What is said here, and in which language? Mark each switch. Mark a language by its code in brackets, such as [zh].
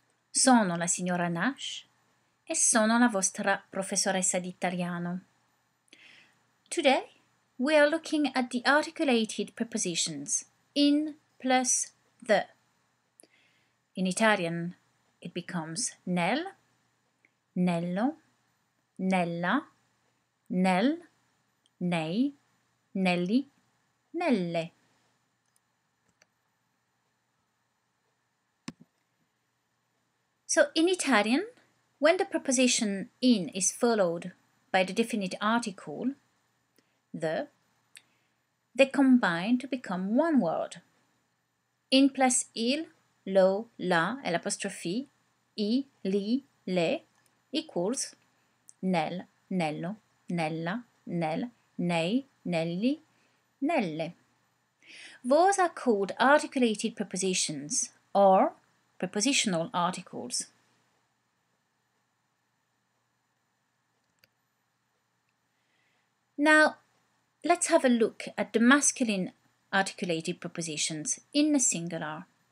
[it] Sono la signora Nash e sono la vostra professoressa di italiano. [en] Today we are looking at the articulated prepositions in plus the. In Italian it becomes [it] nel, nello, nella, nel, nei, nelli, nelle. [en] So in Italian, when the preposition in is followed by the definite article, the, they combine to become one word. In plus il, lo, la, e l'apostrophe, I, li, le, equals [it] nel, nello, nella, nel, nei, nelli, nelle. [en] Those are called articulated prepositions or prepositional articles. Now, let's have a look at the masculine articulated prepositions in the singular.